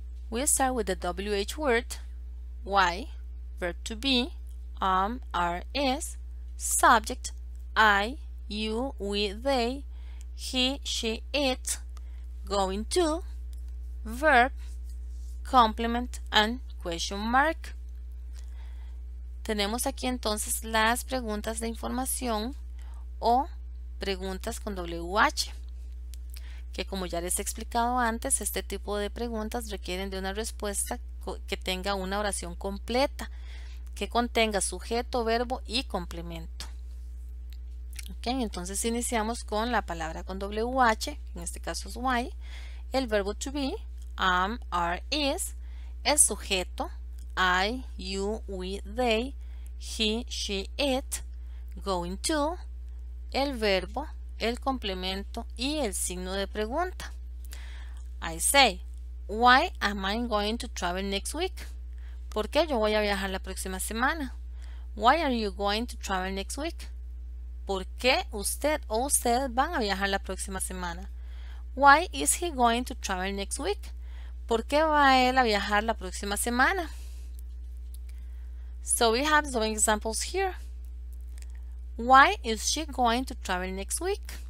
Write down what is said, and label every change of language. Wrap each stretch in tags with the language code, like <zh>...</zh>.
<en>We start with the WH word, why, verb to be, are, is, subject, I, you, we, they, he, she, it, going to, verb, complement, and question mark.</en> <es>Tenemos aquí entonces las preguntas de información o preguntas con WH, que como ya les he explicado antes, este tipo de preguntas requieren de una respuesta que tenga una oración completa, que contenga sujeto, verbo y complemento. Okay, entonces iniciamos con la palabra con WH, en este caso es why, el verbo to be, am, are, is, el sujeto, I, you, we, they, he, she, it, going to, el verbo, el complemento y el signo de pregunta.</es> <en>I say, why am I going to travel next week?</en> <es>¿Por qué yo voy a viajar la próxima semana?</es> <en>Why are you going to travel next week?</en> <es>¿Por qué usted o ustedes van a viajar la próxima semana?</es> <en>Why is he going to travel next week?</en> <es>¿Por qué va él a viajar la próxima semana?</es> <en>So we have some examples here. Why is she going to travel next week?</en>